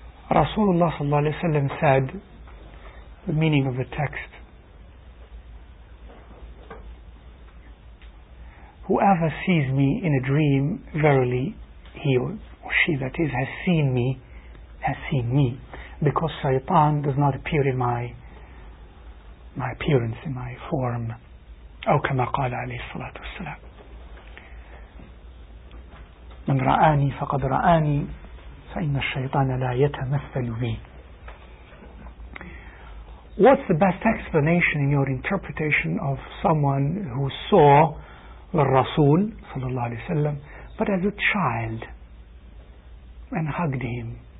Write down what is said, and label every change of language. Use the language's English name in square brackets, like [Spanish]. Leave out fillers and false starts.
[English] Rasulullah sallallahu alayhi wa sallam said, the meaning of the text, whoever sees me in a dream, verily he or she that is has seen me, has seen me, because shaitan does not appear in my appearance, in my form. [Arabic] أو كما قال عليه الصلاة والسلام من رآني فقد رآني فإن الشيطان لا يتمثل بي. [English] What's the best explanation in your interpretation of someone who saw the Rasul صلى الله عليه وسلم but as a child and hugged him?